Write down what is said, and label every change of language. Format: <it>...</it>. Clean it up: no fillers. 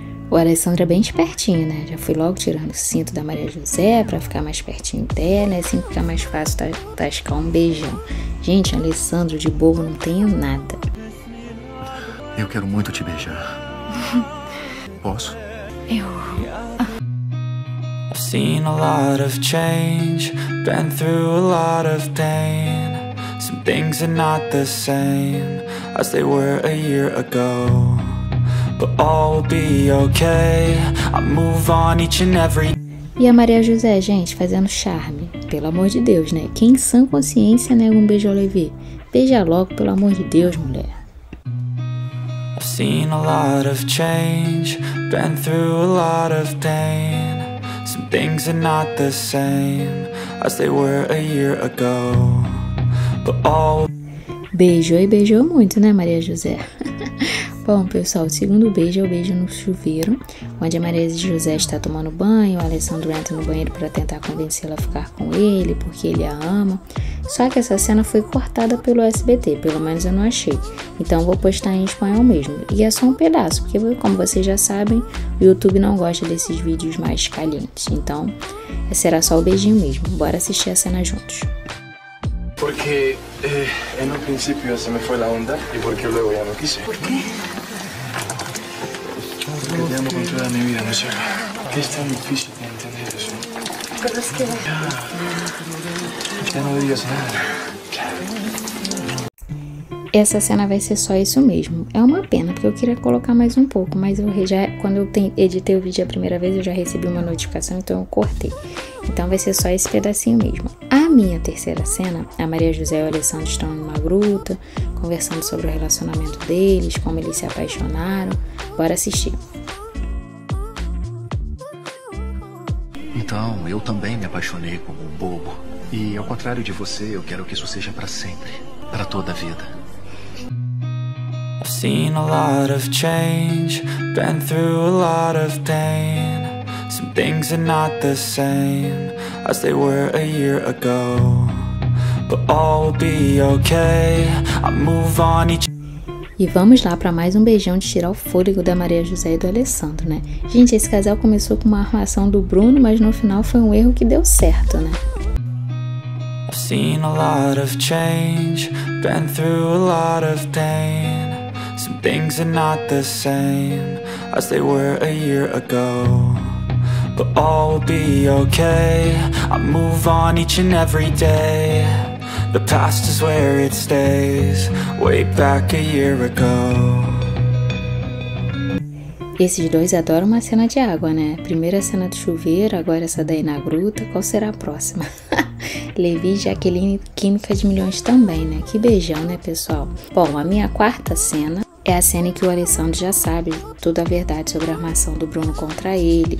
<pt>O Alessandro é bem espertinho, né? Já fui logo tirando o cinto da Maria José pra ficar mais pertinho dela, né? Assim fica mais fácil tascar um beijão. Gente, Alessandro, de bobo não tenho nada. Eu quero muito te beijar. Posso? Eu...</pt> <en>I've seen a lot of change, been through a lot of pain. Some things are not the same as they were a year ago. But all will be okay. I move on each and every.</en> <pt>E a Maria José, gente, fazendo charme. Pelo amor de Deus, né? Quem sã consciência nega um beijo ao Levy? Beija logo, pelo amor de Deus, mulher.</pt> <en>I've seen a lot of change, been through a lot of pain. Some things are not the same as they were a year ago. But all.</en> <pt>Beijou e beijou muito, né, Maria José? Bom, pessoal, o segundo beijo é o beijo no chuveiro, onde a Maria José está tomando banho, o Alessandro entra no banheiro para tentar convencê-la a ficar com ele, porque ele a ama. Só que essa cena foi cortada pelo SBT, pelo menos eu não achei. Então vou postar em espanhol mesmo. E é só um pedaço, porque como vocês já sabem, o YouTube não gosta desses vídeos mais calientes. Então, será só o beijinho mesmo. Bora assistir a cena juntos.</pt> <es>Porque no principio se me fue la onda y porque luego ya no quise. ¿Por qué? Porque te amo con toda mi vida, no sé. ¿Qué es tan difícil de entender eso? Pero es que... Ya no digas nada.</es> <pt>Essa cena vai ser só isso mesmo. É uma pena, porque eu queria colocar mais um pouco, mas eu já, quando eu editei o vídeo a primeira vez, eu já recebi uma notificação, então eu cortei. Então vai ser só esse pedacinho mesmo. A minha terceira cena, a Maria José e o Alessandro estão numa gruta, conversando sobre o relacionamento deles, como eles se apaixonaram. Bora assistir. Então, eu também me apaixonei como um bobo. E ao contrário de você, eu quero que isso seja para sempre, para toda a vida.</pt> <en>I've seen a lot of change, been through a lot of pain. Some things are not the same as they were a year ago. But all will be okay. I move on each.</en> <pt>E vamos lá para mais um beijão de tirar o fôlego da Maria José e do Alessandro, né? Gente, esse casal começou com uma armação do Bruno, mas no final foi um erro que deu certo, né?</pt> <en>I've seen a lot of change, been through a lot of pain. Some things are not the same as they were a year ago. But all will be okay. I move on each and every day. The past is where it stays. Way back a year ago.</en> <pt>Esses dois adoram uma cena de água, né? Primeira cena do chuveiro, agora essa daí na gruta. Qual será a próxima? Levy e Jaqueline, química de milhões também, né? Que beijão, né, pessoal? Bom, a minha quarta cena é a cena em que o Alessandro já sabe toda a verdade sobre a armação do Bruno contra ele.</pt>